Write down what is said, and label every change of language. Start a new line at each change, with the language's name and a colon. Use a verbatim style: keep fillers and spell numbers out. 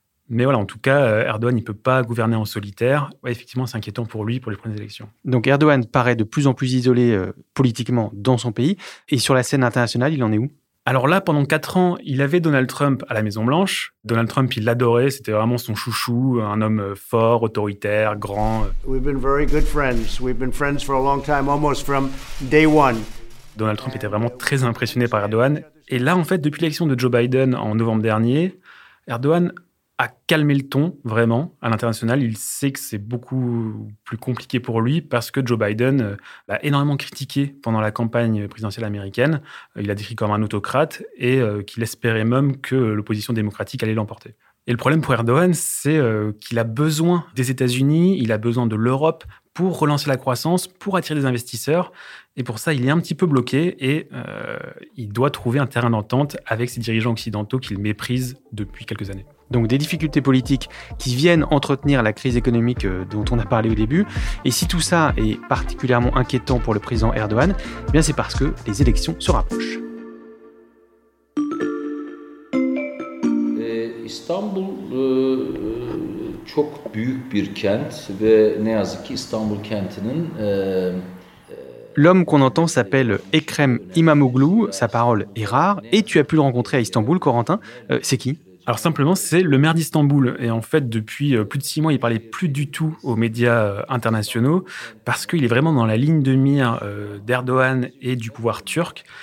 French: Mais voilà, en tout cas, Erdogan, il ne peut pas gouverner en solitaire. Ouais, effectivement, c'est inquiétant pour lui, pour les prochaines élections. Donc Erdogan paraît de plus en plus isolé euh, politiquement dans son pays. Et sur la scène internationale, il en est où ? Alors là, pendant quatre ans, il avait Donald Trump à la Maison-Blanche. Donald Trump, il l'adorait, c'était vraiment son chouchou, un homme fort, autoritaire, grand.
English: We've been very good friends. We've been friends for a long time, almost from day one.
French: Donald Trump était vraiment très impressionné par Erdogan. Et là, en fait, depuis l'élection de Joe Biden en novembre dernier, Erdogan a calmé le ton, vraiment, à l'international. Il sait que c'est beaucoup plus compliqué pour lui parce que Joe Biden l'a énormément critiqué pendant la campagne présidentielle américaine. Il l'a décrit comme un autocrate et qu'il espérait même que l'opposition démocratique allait l'emporter. Et le problème pour Erdogan, c'est qu'il a besoin des États-Unis, il a besoin de l'Europe pour relancer la croissance, pour attirer des investisseurs. Et pour ça, il est un petit peu bloqué et euh, il doit trouver un terrain d'entente avec ses dirigeants occidentaux qu'il méprise depuis quelques années. Donc des difficultés politiques qui viennent entretenir la crise économique dont on a parlé au début. Et si tout ça est particulièrement inquiétant pour le président Erdogan, eh bien c'est parce que les élections se rapprochent.
Turkish: Istanbul euh, çok büyük bir kent ve ne yazık ki İstanbul kentinin e,
French: L'homme qu'on entend s'appelle Ekrem İmamoğlu, sa parole est rare, et tu as pu le rencontrer à Istanbul, Corentin. Euh, c'est qui ? Alors simplement, c'est le maire d'Istanbul. Et en fait, depuis plus de six mois, il ne parlait plus du tout aux médias internationaux parce qu'il est vraiment dans la ligne de mire d'Erdogan et du pouvoir turc.